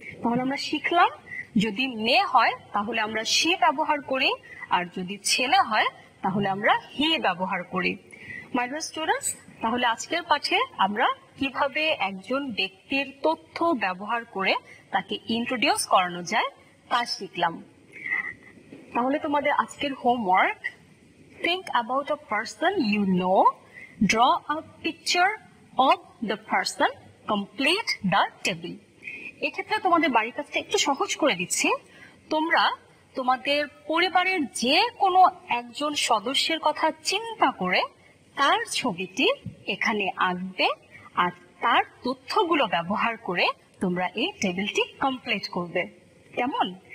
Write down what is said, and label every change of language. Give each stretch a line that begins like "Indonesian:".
Bangla: তাহলে আমরা শিখলাম যদি মেয়ে হয় তাহলে আমরা শি ব্যবহার করি, আর যদি ছেলে হয় তাহলে আমরা হি ব্যবহার করি।
English: my dear students,
Bangla: তাহলে আজকের পাঠে আমরা কিভাবে একজন ব্যক্তির তথ্য ব্যবহার করে তাকে ইন্ট্রোডিউস করানো যায় তা শিখলাম। তাহলে তোমাদের আজকের homework,
English: think about a person you know, draw a picture of the person, complete the table.
Bangla: এক্ষেত্রে তোমাদের বাড়ির কাজটা একটু সহজ করে দিচ্ছি, তোমরা তোমাদের পরিবারের যে কোনো একজন সদস্যের কথা চিন্তা করে তার ছবিটি এখানে আঁকবে, আর তার তথ্যগুলো ব্যবহার করে তোমরা এই টেবিলটি কমপ্লিট করবে, কেমন?